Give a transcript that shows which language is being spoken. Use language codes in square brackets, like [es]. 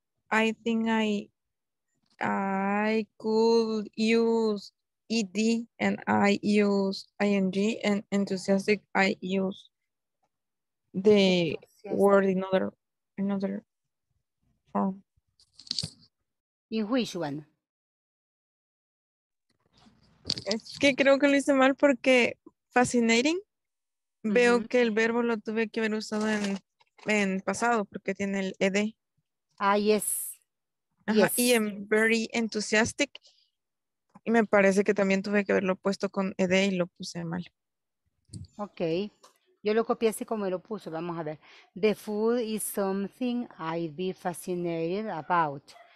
[en] I think I could use ed and I use ing, and enthusiastic I use the word in another form. In which one? [es] Es que creo que lo hice mal porque fascinating, veo que el verbo lo tuve que haber usado en pasado porque tiene el ed. [en] Ah, yes. [es] Ajá, [en] yes. [es] Y en [en] very enthusiastic, [es] y me parece que también tuve que haberlo puesto con ed y lo puse mal. Ok, yo lo copié así como lo puso, vamos a ver. [en] The food is something I'd be fascinated about.